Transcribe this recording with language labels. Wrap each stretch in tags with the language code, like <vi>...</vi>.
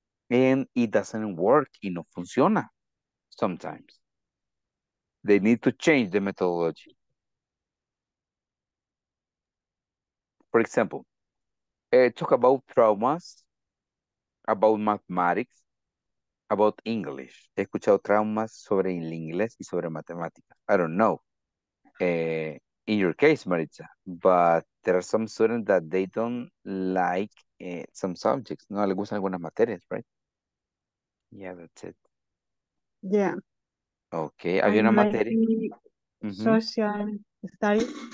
<en>And it doesn't work,</en> <es>y no funciona</es> <en>sometimes. They need to change the methodology. For example, talk about traumas, about mathematics, about English.</en> <es>He escuchado traumas sobre el inglés y sobre matemáticas.</es> <en>I don't know. In your case, Maritza, but there are some students that they don't like some subjects.</en> <es>No, le gustan algunas materias,</es> <en>right? Yeah, that's it. Yeah.</en> <es>Okay, había una materia.</es> <en>Social studies.</en>